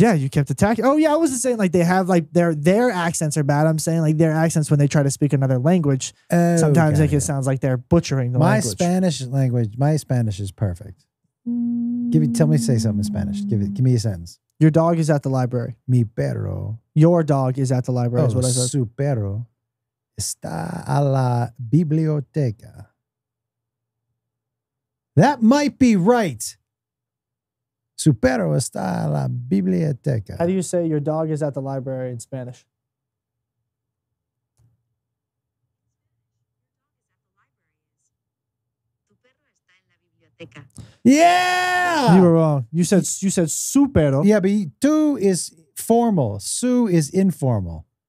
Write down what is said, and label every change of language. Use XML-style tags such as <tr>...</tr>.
<en>Yeah, you kept attacking. Oh, yeah. I wasn't saying like they have like their accents are bad. I'm saying like their accents when they try to speak another language. Oh, sometimes like, it sounds like they're butchering the language. My Spanish is perfect. Tell me, say something in Spanish. Give me a sentence. Your dog is at the library.</en> <es>Mi perro.</es> <en>Your dog is at the library. Is what I said.</en> <es>Su perro está a la biblioteca.</es> <en>That might be right.</en> <es>Su perro está a la biblioteca.</es> <en>How do you say your dog is at the library in Spanish? Yeah! You were wrong. You said</en> <es>su perro.</es> <en>Yeah, but tu is formal. Su is informal.</en>